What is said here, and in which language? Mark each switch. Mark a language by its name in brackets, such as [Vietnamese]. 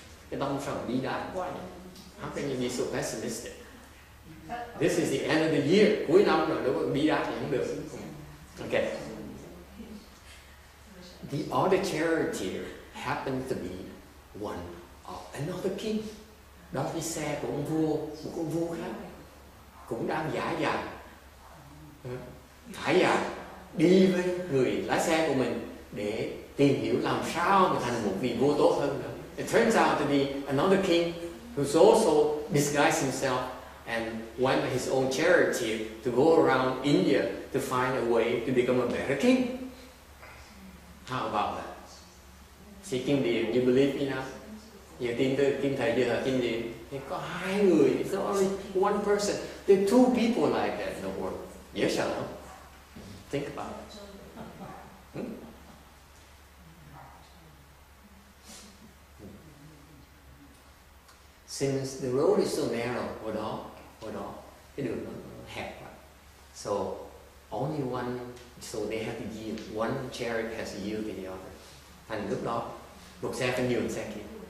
[Vietnamese] Cái tâm trạng bi đát quá nhỉ. [English] How can you be so pessimistic? This is the end of the year, [Vietnamese] cuối năm rồi, đúng không? Bi đát thì không được. [English] Okay. The other charioteer happened to be one of another king. [Vietnamese] Đó là cái xe của ông vua, một con vua khác, cũng đang giải dạng đi với người lái xe của mình để tìm hiểu làm sao mà thành một vị vua tốt hơn. [English] It turns out to be another king who's also disguised himself and went by his own charioteer to go around India to find a way to become a better king. How about that? Thì Kim Điền, you believe me now? [Vietnamese] Giờ tin tôi, Kim Thầy giờ là Kim Điền. Thì có hai người, [English] it's only one person. There are two people like that in the world. [Vietnamese] Dễ sợ không? [English] Think about it. Since the road is so narrow, [Vietnamese] hồi đó, cái đường nó hẹp quá. [English] So, only one, so they have to yield. One chariot has to yield to the other. [Vietnamese] Thành lúc đó, một xe phải nhường xe kia.